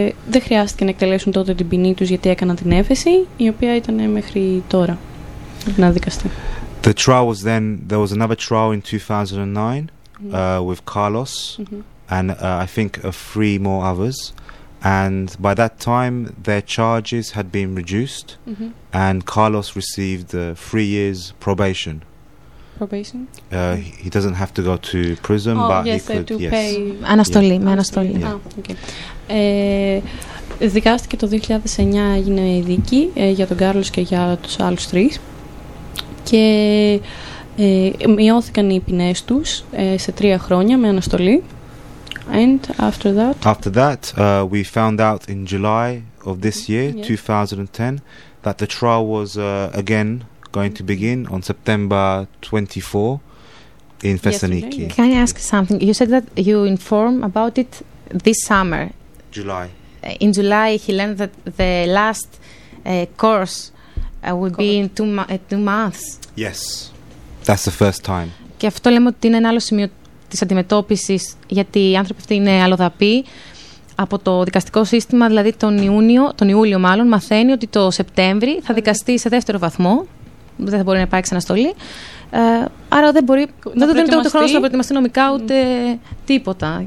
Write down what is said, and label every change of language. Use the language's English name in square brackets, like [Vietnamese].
[Greek] Δεν χρειάστηκε να εκτελέσουν τότε την ποινή τους γιατί έκαναν την έφεση, η οποία ήταν μέχρι τώρα να δικαστεί. [English] The trial was then, there was another trial in 2009 with Carlos and I think 3 more others. And by that time, their charges had been reduced, and Carlos received 3 years probation. Probation? He doesn't have to go to prison, but yes, he could. To yes. Pay. [Greek] Αναστολή, yeah. Με αναστολή. [English] Yeah. Okay. [Greek] Δικάστηκε το 2009, έγινε η δίκη για τον Κάρλος και για τους άλλους τρεις. Και μειώθηκαν οι ποινές τους σε 3 χρόνια με αναστολή. [English] And after that? After that, we found out in July of this year, 2010, that the trial was again going to begin on September 24 in Thessaloniki. Yes, can I ask something? You said that you informed about it this summer. July. In July, he learned that the last course will be in two months. Yes, that's the first time. [Greek] Και αυτό λέμε ότι είναι ένα άλλο σημείο της αντιμετώπισης, γιατί οι άνθρωποι αυτοί είναι αλλοδαποί. Από το δικαστικό σύστημα, δηλαδή τον Ιούλιο, μαθαίνει ότι το Σεπτέμβρη θα δικαστεί σε δεύτερο βαθμό. Δεν θα μπορεί να υπάρξει αναστολή. Άρα δεν μπορεί. Δεν του δίνεται ούτε χρόνο να προετοιμαστεί νομικά ούτε τίποτα.